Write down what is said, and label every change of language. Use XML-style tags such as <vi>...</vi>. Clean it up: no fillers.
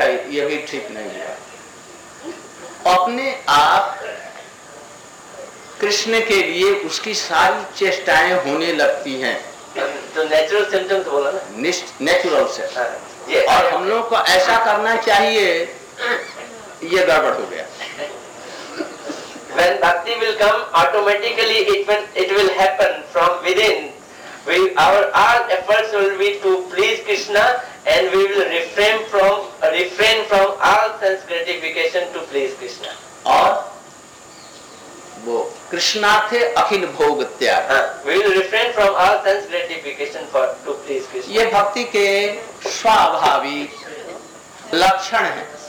<hi>नहीं भाई, ये भी ठीक नहीं है। अपने आप कृष्ण के लिए उसकी सारी चेष्टाएं होने लगती हैं। तो नेचुरल सिम्टम्स बोला ना, नेचुरल से। और हम लोगों को ऐसा करना चाहिए, ये गड़बड़ हो गया।</hi> <en>When bhakti will come, automatically it will happen from within. We our all efforts will be to please Krishna and we will refrain from all sense gratification to please Krishna.</en> <hi>और वो</hi> <sa>कृष्णार्थे अखिल भोग त्याग।</sa> <en>We will refrain from all sense gratification for to please Krishna.</en> <hi>ये भक्ति के स्वाभाविक लक्षण है।</hi>